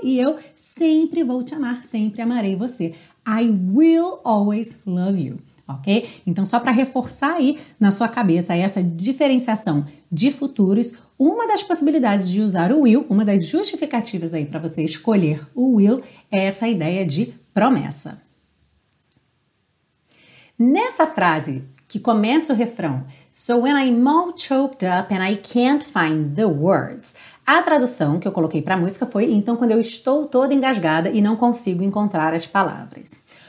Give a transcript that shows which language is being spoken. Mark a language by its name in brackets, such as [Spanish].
[Portuguese] E eu sempre vou te amar, sempre amarei você. [English] I will always love you, ok? [Portuguese] Então, só para reforçar aí na sua cabeça essa diferenciação de futuros, uma das possibilidades de usar o will, uma das justificativas aí para você escolher o will, é essa ideia de promessa. Nessa frase que começa o refrão, [English] so when I'm all choked up and I can't find the words, [Portuguese] a tradução que eu coloquei para a música foi, então, quando eu estou toda engasgada e não consigo encontrar as palavras.